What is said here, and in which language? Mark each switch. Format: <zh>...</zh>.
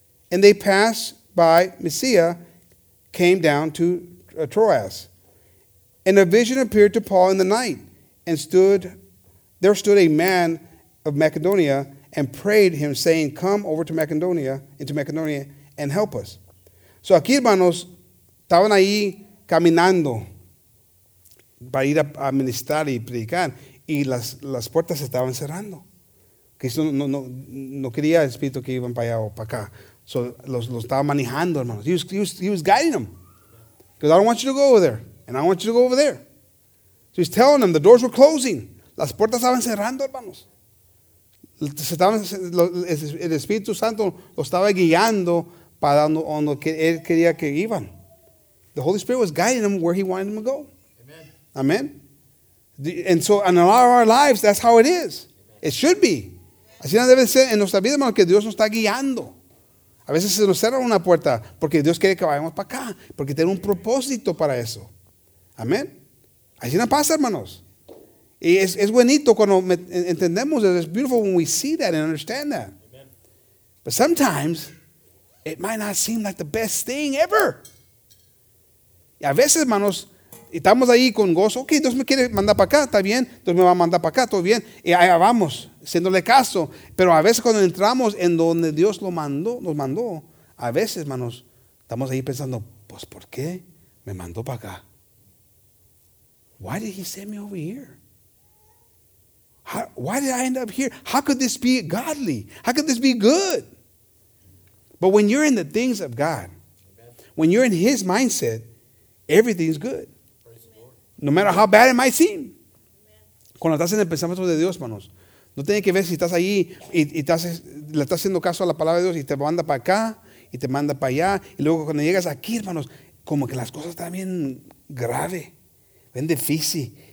<en>And they passed by Mysia, came down to Troas. And a vision appeared to Paul in the night, and there stood a man of Macedonia, and prayed him, saying, come over to Macedonia, into Macedonia, and help us.</en> <es>So aquí, hermanos, estaban ahí caminando para ir a ministrar y predicar, y las puertas estaban cerrando. Cristo no quería el Espíritu que iban para allá o para acá. So los estaba manejando, hermanos.</es> <en>He was guiding them. Because I don't want you to go over there. And I want you to go over there. So he's telling them the doors were closing.</en> <es>Las puertas estaban cerrando, hermanos. El Espíritu Santo los estaba guiando para donde él quería que iban.</es> <en>The Holy Spirit was guiding them where he wanted them to go. Amen. And so in a lot of our lives, that's how it is. It should be.</en> <es>Así no debe ser en nuestra vida, hermano, que Dios nos está guiando. A veces se nos cierra una puerta porque Dios quiere que vayamos para acá, porque tiene un propósito para eso. Amén. Así no pasa, hermanos. Y es bonito cuando entendemos eso.</es> <en>It's beautiful when we see that and understand that. But sometimes, it might not seem like the best thing ever.</en> <es>Y a veces, hermanos, estamos ahí con gozo. Ok, Dios me quiere mandar para acá, está bien. Dios me va a mandar para acá, todo bien. Y allá vamos, haciéndole caso. Pero a veces cuando entramos en donde Dios lo mandó, nos mandó, a veces, hermanos, estamos ahí pensando, pues, ¿por qué me mandó para acá?</es> <en>Why did he send me over here? Why did I end up here? How could this be godly? How could this be good? But when you're in the things of God, when you're in his mindset, everything's good. No matter how bad it might seem.</en> <es>Cuando estás en el pensamiento de Dios, hermanos, no tiene que ver si estás ahí y le estás haciendo caso a la palabra de Dios y te manda para acá y te manda para allá. Y luego cuando llegas aquí, hermanos, como que las cosas están bien grave, bien difícil.</es>